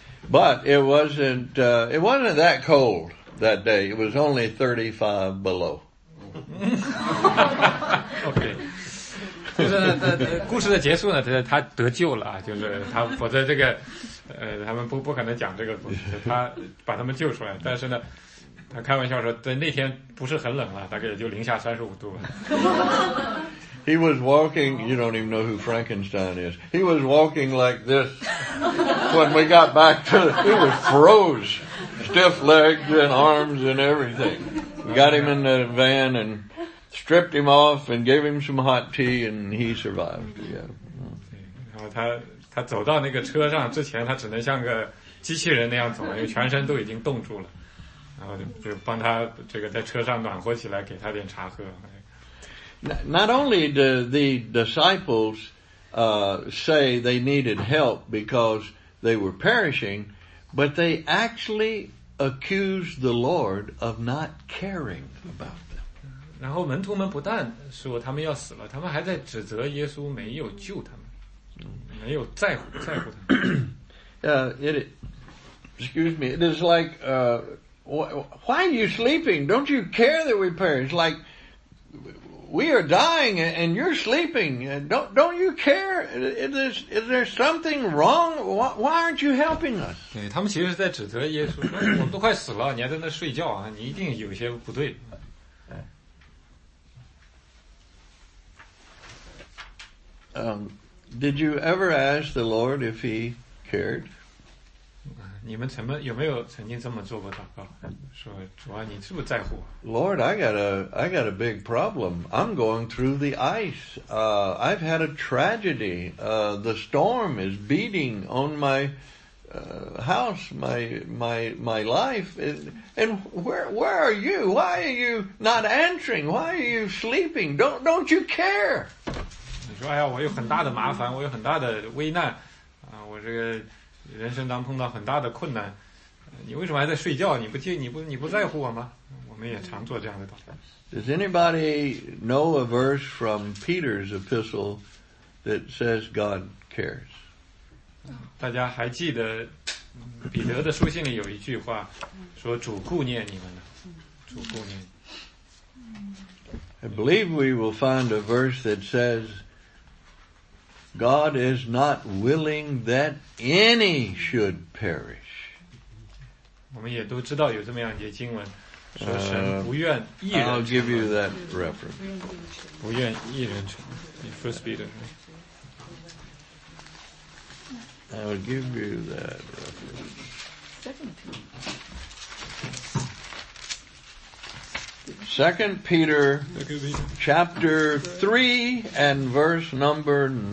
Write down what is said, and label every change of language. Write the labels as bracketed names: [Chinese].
[English] but it wasn't that cold. That day, it was only 35 below. okay. [Chinese] 就是故事的结束呢，他得救了，就是他否则这个，他们不可能讲这个故事，他把他们救出来。但是呢，他开玩笑说，在那天不是很冷了，大概也就零下35度吧。 [English] He was walking, you don't even know who Frankenstein is. He was walking like this when we got back to, he was froze. Stiff legs and arms and everything. We got him in the van and stripped him off and gave him some hot tea and he survived. Yeah. [Chinese] 然后他走到那个车上之前，他只能像个机器人那样走，因为全身都已经冻住了。然后就帮他这个在车上暖和起来，给他点茶喝。 [English] Not only did the disciples say they needed help because they were perishing, but they actually accused the Lord of not caring about them. [Chinese] 然后门徒们不但说他们要死了，他们还在指责耶稣没有救他们，没有在乎他们。 [English] It is like, why are you sleeping? Don't you care that we perish? Like, we are dying and you're sleeping. Don't you care? Is there something wrong? Why aren't you helping us? [Chinese] 对，他们其实是在指责耶稣，说我们都快死了，你还在那睡觉啊，你一定有些不对。 [English] Did you ever ask the Lord if he cared? [Chinese] 你们曾没有没有曾经这么做过祷告，说主啊，你是不是在乎 [English] ？Lord, I got a big problem. I'm going through the ice. I've had a tragedy. The storm is beating on my house, my life. And where are you? Why are you not answering? Why are you sleeping? Don't you care? [Chinese] 你说哎呀，我有很大的麻烦，我有很大的危难啊，我这个。人生当碰到很大的困难，你为什么还在睡觉？你不在乎我吗？我们也常做这样的祷告。 [English] Does anybody know a verse from Peter's epistle that says God cares? [Chinese] 大家还记得彼得的书信里有一句话，说主顾念你们的，主顾念。 [English] I believe we will find a verse that says. God is not willing that any should perish. [Chinese] 我们也都知道有这么样一些经文，说神不愿一人。 [English] I'll give you that reference. [Chinese] 不愿一人成。 [English] First Peter. I'll give you that reference. Second Peter, chapter 3 and verse number.